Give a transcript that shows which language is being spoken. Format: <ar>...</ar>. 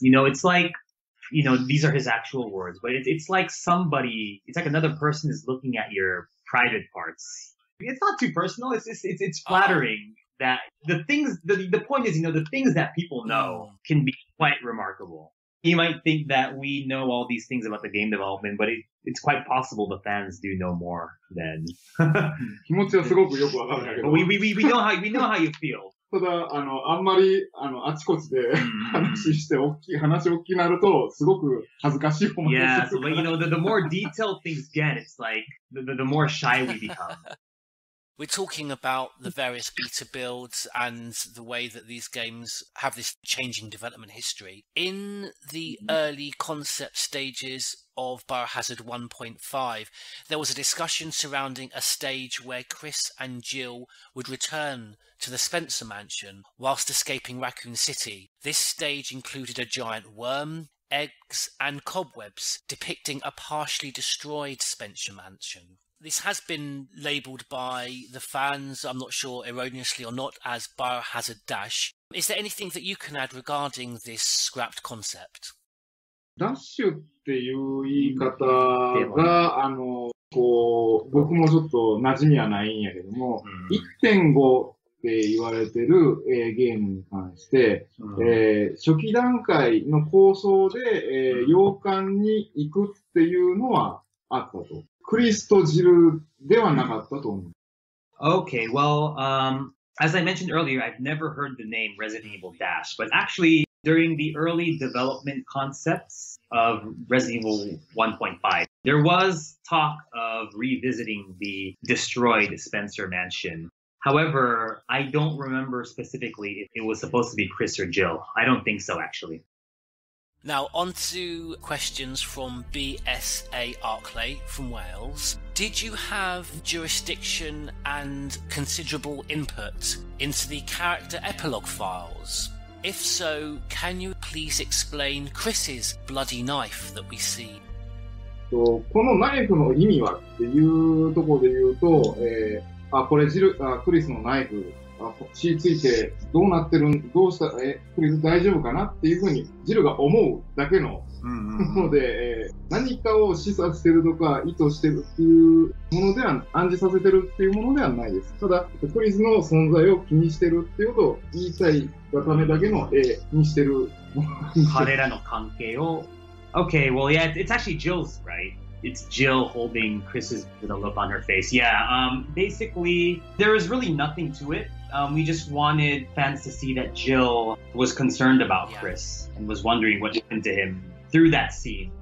<en>You know, it's like, you know, these are his actual words, but it's like somebody, it's like another person is looking at your private parts. It's not too personal. It's flattering that the things, the point is, you know, the things that people know can be quite remarkable. You might think that we know all these things about the game development, but it's quite possible the fans do know more than.</en> <ja>気持ちはすごくよくわかるんだけど。</ja> <en>We know how you feel.</en> <ja>ただ、あんまり、あちこちで話大きくなると、すごく恥ずかしい思いです。</ja> <en>Yeah, so, but you know, the more detailed things get, it's like, the more shy we become. We're talking about the various beta builds and the way that these games have this changing development history. In the early concept stages of Biohazard 1.5, there was a discussion surrounding a stage where Chris and Jill would return to the Spencer Mansion whilst escaping Raccoon City. This stage included a giant worm, eggs, and cobwebs depicting a partially destroyed Spencer Mansion. This has been labelled by the fans, I'm not sure erroneously or not, as Biohazard Dash. Is there anything that you can add regarding this scrapped concept?</en> <ja>Dash っていう言い方が、僕もちょっと馴染みはないんやけども、1.5 って言われてる、ゲームに関して、初期段階の構想で、洋館に行くっていうのはあったと。クリスとジルではなかったと思う。</ja> <en>Okay, well, as I mentioned earlier, I've never heard the name Resident Evil Dash, but actually, during the early development concepts of Resident Evil 1.5, there was talk of revisiting the destroyed Spencer Mansion. However, I don't remember specifically if it was supposed to be Chris or Jill. I don't think so, actually. Now, on to questions from BSA Arclay from Wales. Did you have jurisdiction and considerable input into the character epilogue files? If so, can you please explain Chris's bloody knife that we see?</en> <ja>So, このナイフの意味はっていうところで言うと、これジル、クリスのナイフ。血ついてどうなってるん、どうしたら、クリス大丈夫かなっていうふうにジルが思うだけのもので、何かを示唆してるとか意図してるっていうものでは、暗示させてるっていうものではないです。ただ、クリスの存在を気にしてるっていうことを言いたいがためだけの絵にしてる。彼らの関係を。</ja> <en>Okay, well, yeah, it's actually Jill's, right? It's Jill holding Chris's little look on her face. Yeah, basically, there is really nothing to it. We just wanted fans to see that Jill was concerned about Chris and was wondering what happened to him through that scene.</en>